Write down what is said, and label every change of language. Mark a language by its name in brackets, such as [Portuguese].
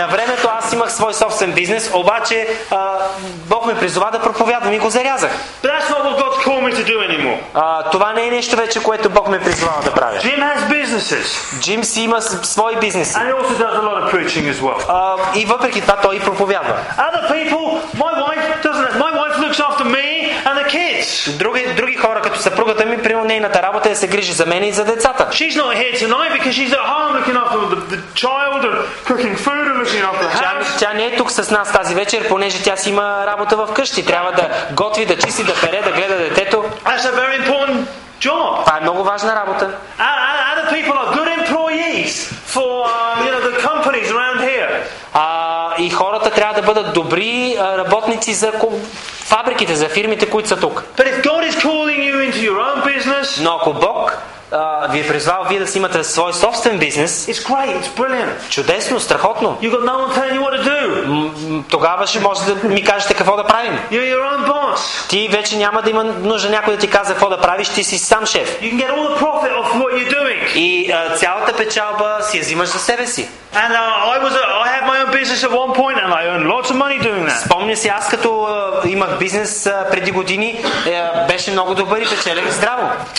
[Bulgarian] На времето аз имах свой собствен бизнес, обаче Бог ме призова да проповядвам и го зарязах. [English] But that's not what God's called me to do anymore. [Bulgarian] Това не е нещо вече, което Бог ме призвава да правя. [English] Jim has businesses. [Bulgarian] Jim си има свои бизнеси. [English] And he also does a lot of preaching as well. [Bulgarian] И въпреки това той и проповядва. [English] Other people, my wife looks after me and the kids. [Bulgarian] Други хора, като съпругата ми, при нейната работа е да се грижи за мен и за децата. [English] She's not here tonight because she's at home looking after the child and cooking food and looking after the house. [Bulgarian] Тя не е тук с нас тази вечер, понеже тя си има работа в къщи. Трябва да готви, да чисти, да пере, да гледа детето. [English] That's a very important job. [Bulgarian] Това е много важна работа. [English] Other people are good employees for the companies around here. [Bulgarian] И хората трябва да бъдат добри работници за фабриките, за фирмите, които са тук. [English] But if God is calling you into your own business, [Bulgarian] но ако Бог ви е призвал вие да си имате свой собствен бизнес, [English] it's great, it's brilliant. [Bulgarian] Чудесно, страхотно. [English] You got no one telling you what to do. [Bulgarian] Тогава ще може да ми кажете какво да правим. [English] You're your own boss. [Bulgarian] Ти вече няма да има нужда някой да ти каза какво да правиш, ти си сам шеф. [English] You can get all the profit off what you're doing. [Bulgarian] И цялата печалба си я взимаш за себе си. [English] And I had my own business at one point and I earned lots of money doing that. [Bulgarian] Спомня си аз като имах бизнес преди години, беше много добър и печелех здраво.